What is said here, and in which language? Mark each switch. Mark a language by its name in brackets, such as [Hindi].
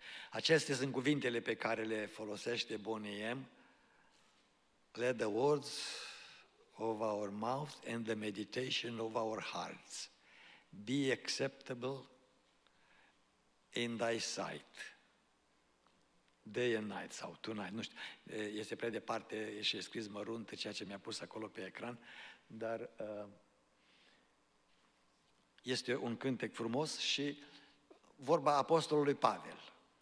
[Romanian] Acestea sunt cuvintele pe care le folosește Bonnie M. Let the words [English] of our mouth and the meditation of our hearts be acceptable in thy sight. [Romanian] Day and night sau tonight, nu știu, este prea departe și e scris mărunt ceea ce mi-a pus acolo pe ecran, dar este un cântec frumos și vorba apostolului Pavel.